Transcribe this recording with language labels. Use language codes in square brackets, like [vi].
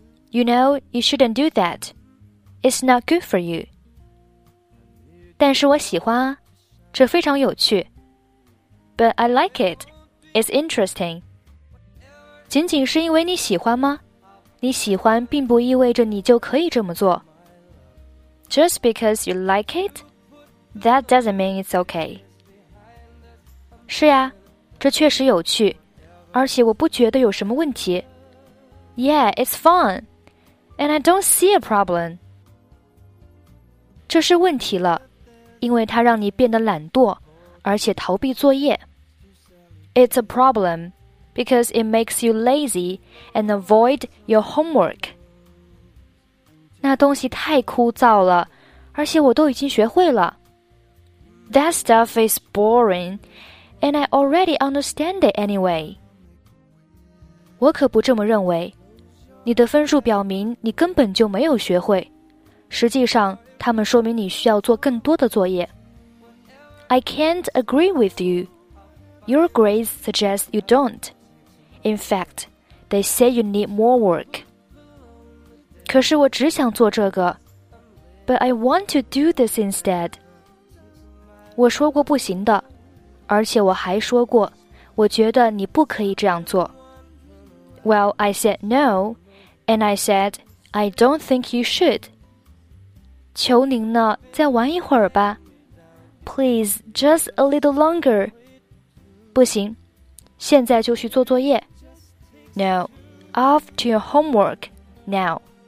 [en] You know, you shouldn't do that. It's not good for you. [zh] 但是我喜欢啊，这非常有趣。 [en] But I like it. It's interesting. [zh] 仅仅是因为你喜欢吗？你喜欢并不意味着你就可以这么做。 [en] Just because you like it, that doesn't mean it's okay. [zh] 是呀，这确实有趣，而且我不觉得有什么问题。 [en] Yeah, it's fun, and I don't see a problem. [zh] 这是问题了，因为它让你变得懒惰，而且逃避作业。 [en] It's a problem, because it makes you lazy and avoid your homework. [zh] 那东西太枯燥了，而且我都已经学会了。 [en] That stuff is boring, and I already understand it anyway. [zh] 我可不这么认为。你的分数表明你根本就没有学会。实际上，他们说明你需要做更多的作业。 [en] I can't agree with you. Your grades suggest you don't. In fact, they say you need more work. [zh] 可是我只想做这个。 [en] But I want to do this instead. [zh] 我说过不行的，而且我还说过，我觉得你不可以这样做。 [en] Well, I said no, and I said, I don't think you should. [zh] 求您了，再玩一会儿吧。 [en] Please, just a little longer. [zh] 不行，现在就去做作业。 [en] No, off to your homework now.